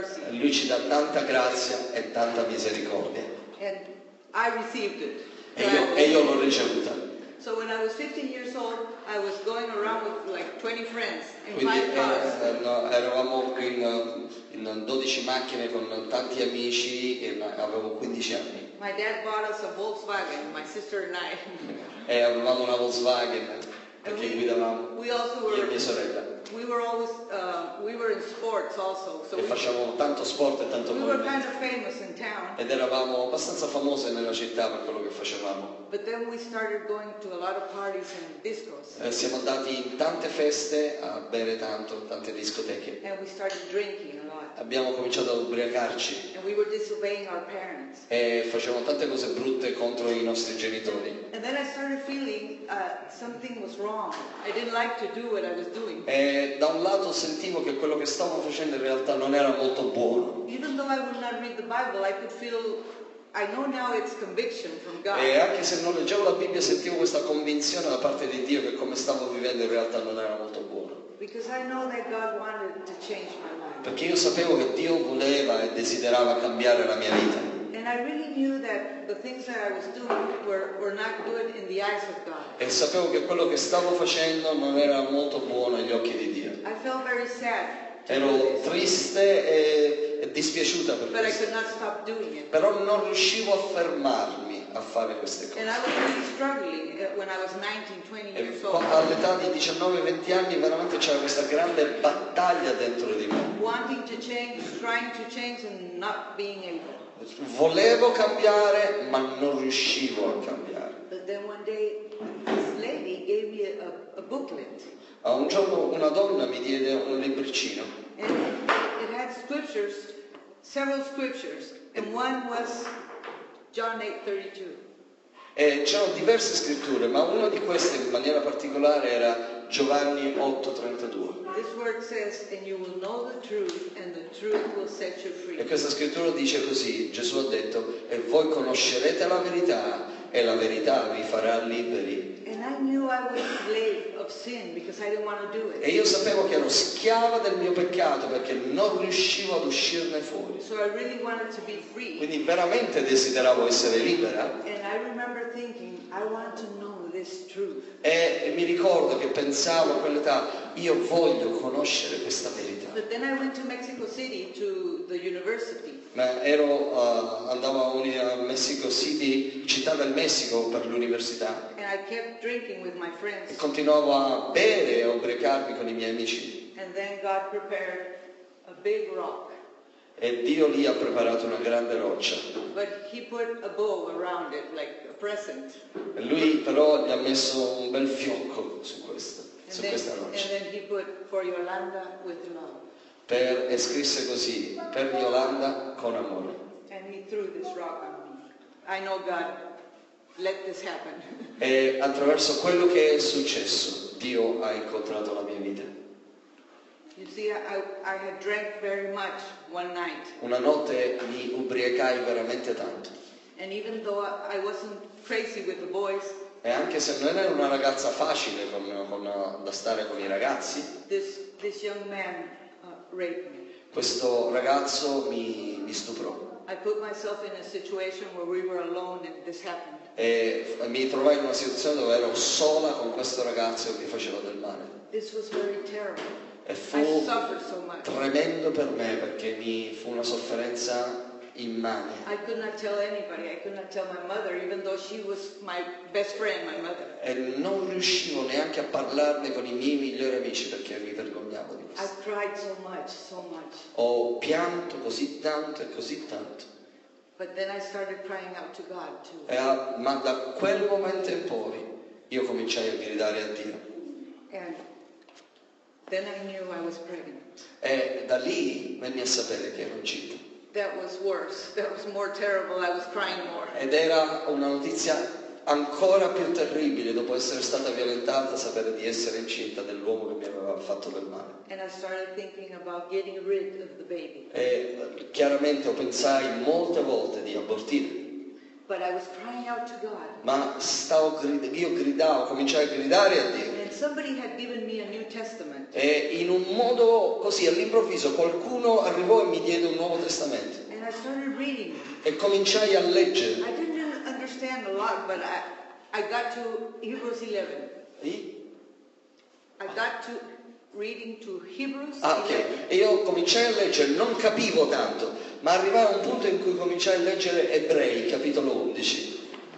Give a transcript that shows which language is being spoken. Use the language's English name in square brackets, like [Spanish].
[Italian] Lui ci dà tanta grazia e tanta misericordia. [English] And I received it. [Italian] E io l'ho ricevuta. [English] So when I was 15 years old, I was going around with like 20 friends in five cars. [Italian] Eravamo in 12 macchine con tanti amici e avevo 15 anni. [English] My dad bought us a Volkswagen, my sister and I. [Italian] E avevamo una Volkswagen perché guidavamo. [English] We also were. [Italian] Io e mia sorella. [English] We were always we were in sports also. So [Italian] e facevamo tanto sport e tanto movimento. [English] We were kind of famous in town. [Italian] Ed eravamo abbastanza famose nella città per quello che facevamo. [English] But then we started going to a lot of parties and discos. [Italian] Siamo andati in tante feste a bere tanto, tante discoteche. [English] And we started drinking a lot. [Italian] Abbiamo cominciato ad ubriacarci. [English] And we were disobeying our parents. [Italian] E facevamo tante cose brutte contro i nostri genitori. [English] And then I started feeling something was wrong. I didn't like to do what I was doing. [Italian] E da un lato sentivo che quello che stavo facendo in realtà non era molto buono. [English] Even though I would not read the Bible, I could feel. I know now it's conviction from God. [Italian] E anche se non leggevo la Bibbia sentivo questa convinzione da parte di Dio che come stavo vivendo in realtà non era molto buono. [English] Because I know that God wanted to change my life. [Italian] Perché io sapevo che Dio voleva e desiderava cambiare la mia vita. [English] And I really knew that the things that I was doing were not good in the eyes of God. [Italian] E sapevo che quello che stavo facendo non era molto buono agli occhi di Dio. [English] I felt very sad. [Italian] Ero triste e dispiaciuta per [English] But [Italian] questo. [English] I could not stop doing it. [Italian] Però non riuscivo a fermarmi a fare queste cose. [English] And I was really struggling when I was 19, 20 years old. [Italian] All'età di 19-20 anni veramente c'era questa grande battaglia dentro di me. [English] Wanting to change, trying to change and not being able. [Italian] Volevo cambiare ma non riuscivo a cambiare. [English] But then one day this lady gave me a booklet. [Italian] A un giorno una donna mi diede un libricino. [English] And it had scriptures, several scriptures, and one was John 8:32. [Italian] E c'erano diverse scritture, ma una di queste in maniera particolare era Giovanni 8:32. [English] This word says, and you will know the truth, and the truth will set you free. [Italian] E questa scrittura dice così, Gesù ha detto, e voi conoscerete la verità, e la verità vi farà liberi. [English] And I knew I was slave of sin because I didn't want to do it. [Italian] E io sapevo che ero schiava del mio peccato perché non riuscivo ad uscirne fuori. [English] So I really wanted to be free. [Italian] Quindi veramente desideravo essere libera. [English] And I remember thinking, I want to know this truth. [Italian] E mi ricordo che pensavo a quell'età, io voglio conoscere questa verità. [English] But then I went to Mexico City to the university. [Italian] Ma andavo a Mexico City, città del Messico, per l'università. [English] And I kept drinking with my friends. [Italian] E continuavo a bere e ubriacarmi con i miei amici. [English] And then God prepared a big rock. [Italian] E Dio lì ha preparato una grande roccia. [English] But he put a bow around it, like a present. [Italian] E lui però gli ha messo un bel fiocco su questa roccia. [English] And then he put for Yolanda with love. [Italian] E scrisse così, per Yolanda con amore. [English] And he threw this rock on me. I know God let this happen. [Italian] E attraverso quello che è successo, Dio ha incontrato la mia vita. [English] You see, I had drank very much one night. [Italian] Una notte mi ubriacai veramente tanto. [English] And even though I wasn't crazy with the boys. [Italian] E anche se non ero una ragazza facile da stare con i ragazzi. [English] This young man. [Italian] Questo ragazzo mi stuprò. [English] I put myself in a situation where we were alone and this happened. [Italian] E mi trovai in una situazione dove ero sola con questo ragazzo che mi faceva del male. [English] This was very terrible. [Italian] E fu tremendo per me perché mi fu una sofferenza immane. [English] I could not tell anybody. I could not tell my mother, even though she was my best friend, my mother. [Italian] E non riuscivo neanche a parlarne con i miei migliori amici perché mi vergognavo di questo. [English] I cried so much, so much. [Italian] Ho pianto così tanto e così tanto. [English] But then I started crying out to God too. [Italian] Ma da quel momento in poi io cominciai a gridare a Dio. [English] And then I knew I was pregnant. [Italian] E da lì venni a sapere che ero incinta. [English] That was worse. That was more terrible. I was crying more. [Italian] Ed era una notizia ancora più terribile dopo essere stata violentata, sapere di essere incinta dell'uomo che mi aveva fatto del male. [English] And I started thinking about getting rid of the baby. [Italian] E chiaramente ho pensato molte volte di abortire. [English] But I was crying out to God. [Italian] Ma stavo io gridavo, cominciai a gridare a Dio. [English] And somebody had given me a New Testament. [Italian] E in un modo così all'improvviso qualcuno arrivò e mi diede un Nuovo Testamento. [English] And I started reading. [Italian] E cominciai a leggere. [English] I didn't understand a lot, but I got to Hebrews 11. I got to reading to Hebrews. Ah, ok. [Italian] 11. E io cominciai a leggere, non capivo tanto. Ma arrivai a un punto in cui cominciai a leggere Ebrei, capitolo 11.